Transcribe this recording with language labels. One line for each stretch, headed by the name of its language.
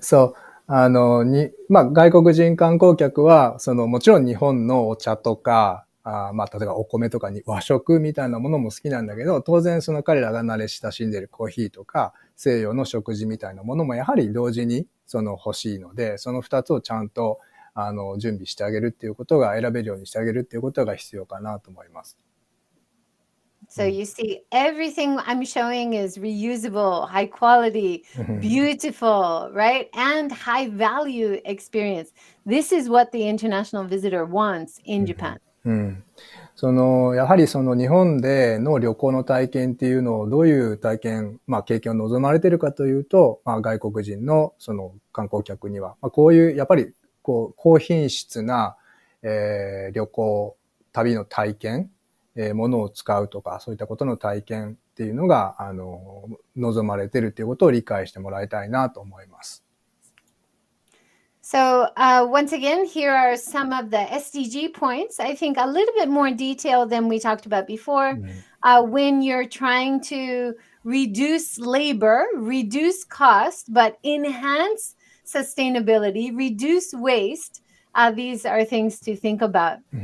Japanese: So, あの、に、まあ、外国人観光客は、その、もちろん日本のお茶とか、あ、まあ、例えばお米とかに和食みたいなものも好きなんだけど、当然その彼らが慣れ親しんでいるコーヒーとか、西洋の食事みたいなものも、やはり同時にその欲しいので、その2つをちゃんと準備してあげるっていうことが、選べるようにしてあげるっていうことが必要かなと思います。
English: So you see, everything I'm showing is reusable, high quality, beautiful, right? And high value experience. This is what the international visitor wants in Japan.
Japanese: そのやはりその日本での旅行の体験っていうのをどういう体験、まあ経験を望まれてるかというと、まあ外国人のその観光客には、まあ、こういうやっぱりこう高品質な、旅行、旅の体験、ものを使うとか、そういったことの体験っていうのが望まれてるっていうことを理解してもらいたいなと思います。
English: So, once again, here are some of the SDG points. I think a little bit more detail than we talked about before. When you're trying to reduce labor, reduce cost, but enhance sustainability, reduce waste, these are things to think about.